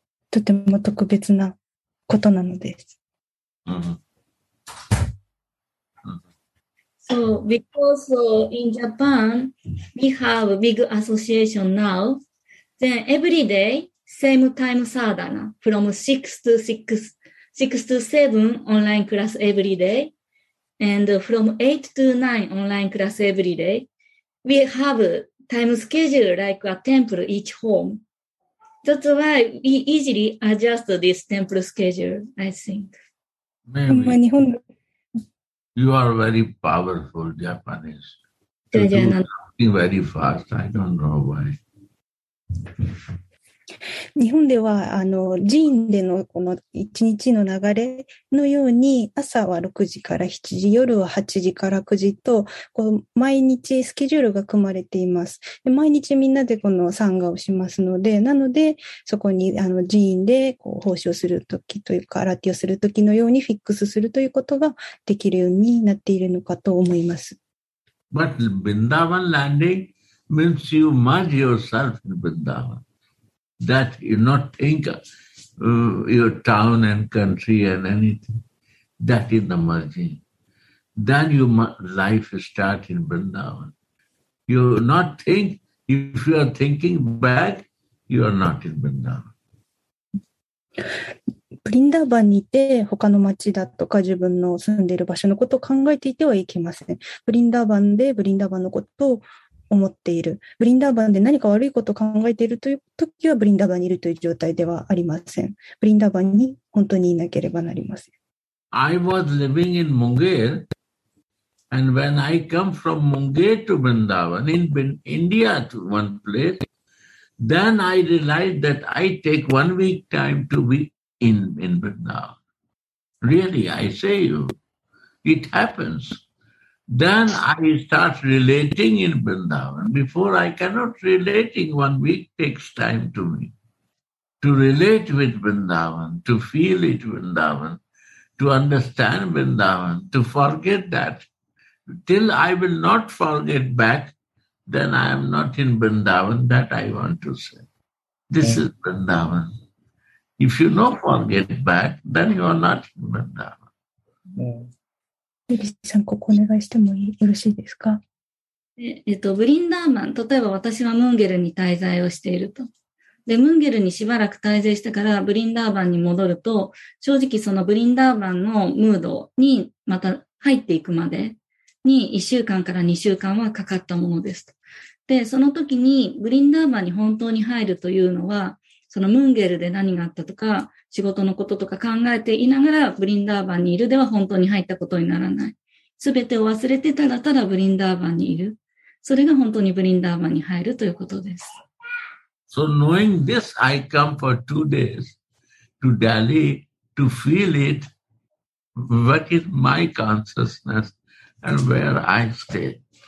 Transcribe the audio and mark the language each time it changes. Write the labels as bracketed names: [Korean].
[Japanese] とても特別なことなのです。 [English] So, because in Japan, we have a big association now. Then every day, same time sadhana from 6 to 7 online class every day. And from 8 to 9 online class every day. We have time schedule like a temple each home. That's why we easily adjust this temple schedule, I think. Maybe. You are very powerful Japanese. You do something very fast. I don't know why. [Japanese] 日本では寺院でのこの1日の流れのように、朝は6時から7時、夜は8時から9時とこう毎日スケジュールが組まれています。で毎日みんなでこの参加をしますので、なのでそこに寺院でこう奉仕をするときというか、アラティをするときのようにフィックスするということができるようになっているのかと思います。 [English] But Vrindavan landing means you merge yourself in Vrindavan. That you not think your town and country and anything. That is the merging. Then your life starts in Vrindavan. You not think, if you are thinking back, you are not in Vrindavan. [Japanese] ブリンダーバンにいて他の町だとか自分の住んでいる場所のことを考えていてはいけません。ブリンダーバンでブリンダーバンのことを思っている、ブリンダーバンで何か悪いことを考えているという時はブリンダーバンにいるという状態ではありません。ブリンダーバンに本当にいなければなりません。 [English] I was living in Munger, and when I come from Munger to Vrindavan, in India to one place, then I realized that I take 1 week time to be in Vrindavan. Really, I say you, it happens. Then I start relating in Vrindavan. Before I cannot relating, 1 week takes time to me. To relate with Vrindavan, to feel it Vrindavan, to understand Vrindavan, to forget that. Till I will not forget back, then I am not in Vrindavan, that I want to say. This is Vrindavan. If you don't forget back, then you are not in Vrindavan. [Japanese] リリさん、ここお願いしてもよろしいですか。ブリンダーバン、例えば私はムンゲルに滞在をしていると、でムンゲルにしばらく滞在してからブリンダーバンに戻ると、正直そのブリンダーバンのムードにまた入っていくまでに1週間から2週間はかかったものですと。でその時にブリンダーバンに本当に入るというのは、そのムンゲルで何があったとか仕事のこととか考えていながらブリンダーバンにいるでは本当に入ったことにならない。すべてを忘れてただただブリンダーバンにいる。それが本当にブリンダーバンに入るということです。 [English] So knowing this, I come for 2 days to Delhi to feel it, what is my consciousness and where I stay.